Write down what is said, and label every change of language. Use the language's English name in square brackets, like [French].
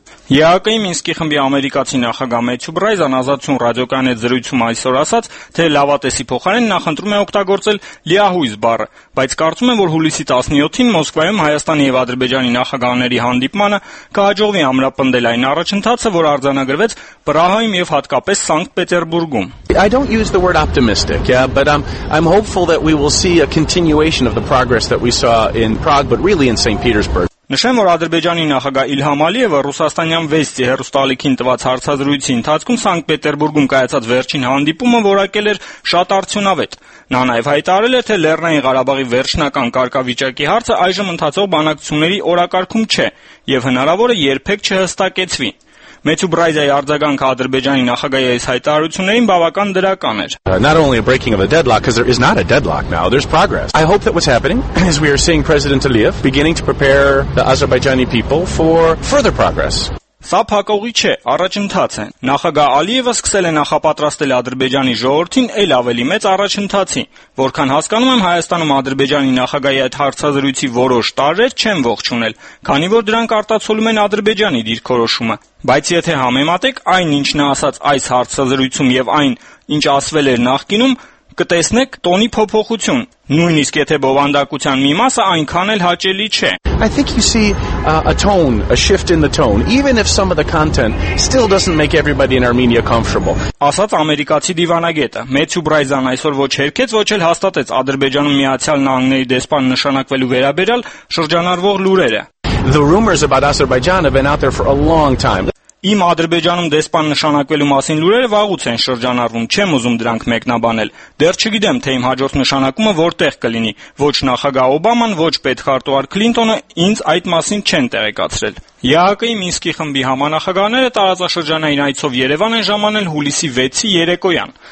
[Armenian] ԵԱՀԿ-ի Մինսկի խմբի ամերիկացի նախագահ Մեթյու Բրայզան Ազատություն ռադիոկայանի զրույցում այսօր ասաց, թե լավատեսի փոխարեն նա խնդրում է օգտագործել լիահույս բառը, բայց կարծում եմ, որ հուլիսի 17-ին Մոսկվայում Հայաստանի եւ Ադրբեջանի նախագահների հանդիպմանը կհաջողվի ամրապնդել այն առաջընթացը, որ արձանագրվեց Պրահայում եւ հատկապես Սանկտ Պետերբուրգում։ [English] I don't use the word optimistic, but I'm hopeful that we will see a continuation of the progress that we saw in Prague, but really in St. Petersburg. [Armenian] Նշեմ, որ Ադրբեջանի նախագահ Իլհամ Ալիևը ռուսաստանյան Վեստի հեռուստալիքին տված հարցազրույցի ընթացքում Սանկտ Պետերբուրգում կայացած վերջին հանդիպումը որակել էր շատ արդյունավետ։ Նա նաև հայտարել էր, թե Լեռնային Ղարաբաղի վերջնական կարգավիճակի հարցը այժմ ընթացող բանակցությունների օրակարգում չէ և հնարավոր է երբեք չհստակեցվի։ Մեթյու Բրայզայի արձագանքը Ադրբեջանի նախագահի այս հայտարարություններին բավական դրական էր։ [English] Not only a breaking of a deadlock, because there is not a deadlock now, there's progress. I hope that what's happening is we are seeing President Aliyev beginning to prepare the Azerbaijani people for further progress. [Armenian] Սա փակողի չէ, առաջընթաց է։ Նախագահ Ալիևը սկսել է նախապատրաստել Ադրբեջանի ժողովրդին այլ ավելի մեծ առաջընթացի, որքան հասկանում եմ, Հայաստանում Ադրբեջանի նախագահի այդ հարցազրույցի որոշ տարրեր չեն ողջունել, քանի որ դրանք արտացոլում են Ադրբեջանի դիրքորոշումը։ Բայց եթե համեմատեք այնինչ նա ասաց այս հարցազրույցում եւ այն, ինչ ասվել էր նախկինում, կտեսնեք տոնի փոփոխություն, նույնիսկ եթե բովանդակության մի մասը այնքան էլ հաճելի չէ։ [English] I think you see a tone, a shift in the tone, even if some of the content still doesn't make everybody in Armenia comfortable. [Armenian] Ասաց ամերիկացի դիվանագետը, Մեթյու Բրայզան այսօր ոչ հերքեց, ոչ էլ հաստատեց Ադրբեջանում Միացյալ Նահանգների դեսպան նշանակվելու վերաբերյալ շրջանառվող լուրերը։ [English] The rumors about Azerbaijan have been out there for a long time. [Armenian] Իմ Ադրբեջանում դեսպան նշանակվելու մասին լուրերը վաղուց են շրջանառվում, չեմ ուզում դրանք մեկնաբանել։ Դեռ չգիտեմ, թե իմ հաջորդ նշանակումը որտեղ կլինի։ Ոչ նախագահ Օբաման, ոչ պետքարտուար Քլինտոնը ինձ այդ մասին չեն տեղեկացրել։ ԵԱՀԿ-ի Մինսկի խմբի համանախագահները տարածաշրջանային այցով Երևան են ժամանել հուլիսի 6-ի երեկոյան։